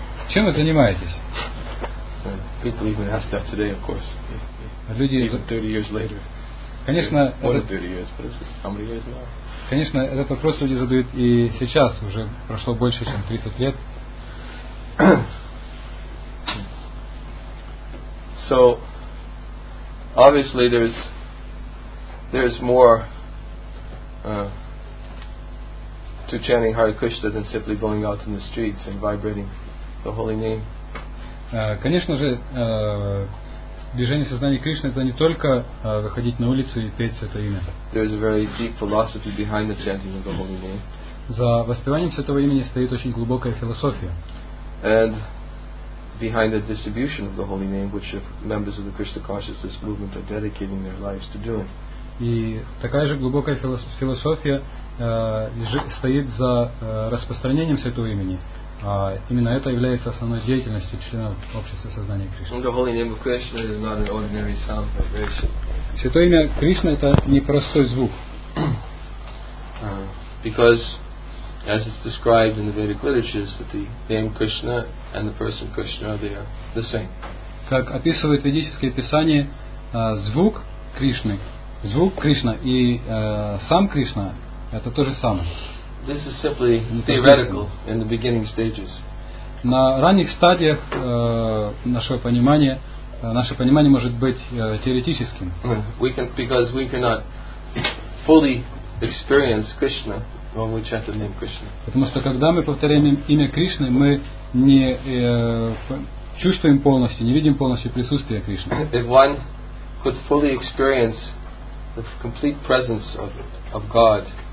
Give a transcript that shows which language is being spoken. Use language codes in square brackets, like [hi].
[ru] Чем вы занимаетесь? [en] People even ask that today, of course. [ru] Люди, [en] even 30 years later. [ru] Конечно, [en] what are 30 years? How many years now? [ru] Конечно, этот вопрос люди задают и сейчас, уже прошло больше чем 30 лет. [en] So obviously there's more to chanting Hare Krishna than simply going out in the streets and vibrating the holy name. [ru] Конечно же, движение сознания Кришны — это не только выходить на улицу и петь святое имя. [en] There is a very deep philosophy behind the chanting of the holy name. [ru] За воспеванием святого имени стоит очень глубокая философия. [en] And behind the distribution of the holy name, which members of the Krishna consciousness movement are dedicating their lives to doing. [ru] И такая же глубокая философия стоит за распространением святого имени. Именно это является основной деятельностью членов общества сознания Кришны. [en] The holy name of Krishna is not an ordinary sound vibration. [ru] Святое имя Кришна — это не простой звук. [en] Because as it's described in the Vedic literatures, that the name Krishna and the person Krishna, they are the same. [ru] Как описывает ведическое писание, звук Кришны, звук Кришна и сам Кришна — это то же самое. [en] This is simply theoretical in the beginning stages. [ru] На ранних стадиях нашего понимания, наше понимание может быть теоретическим. [en] Because we cannot fully experience Krishna when we chant the name Krishna. [ru] Потому что когда мы повторяем имя Кришны, мы не чувствуем полностью, не видим полностью присутствие Кришны. [en] If one could fully experience the complete presence of God.